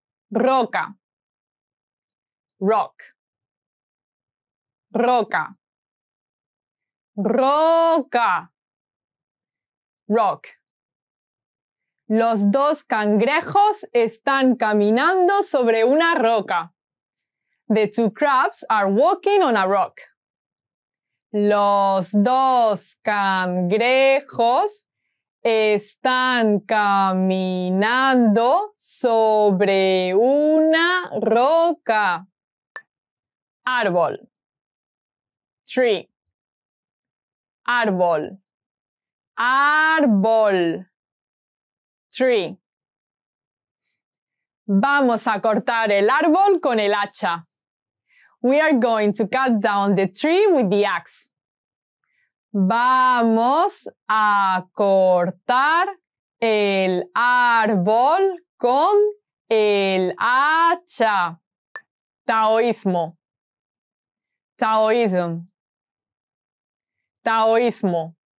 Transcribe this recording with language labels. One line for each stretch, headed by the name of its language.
Spanish: Roca. Rock. Roca. Roca. Rock. Los dos cangrejos están caminando sobre una roca.
English: The two crabs are walking on a rock.
Spanish: Los dos cangrejos Están caminando sobre una roca. Árbol. Tree. Árbol. Árbol. Tree. Vamos a cortar el árbol con el hacha.
English: We are going to cut down the tree with the axe.
Spanish: Vamos a cortar el árbol con el hacha. Taoísmo. Taoism. Taoísmo.